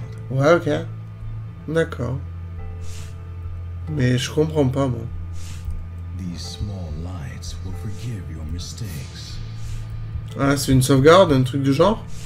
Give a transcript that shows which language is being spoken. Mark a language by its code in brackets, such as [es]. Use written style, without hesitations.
[fr] Ouais, ok. D'accord. Mais je comprends pas, moi. [en] These small lights will forgive your mistakes. [fr] Ah, c'est une sauvegarde, un truc du genre?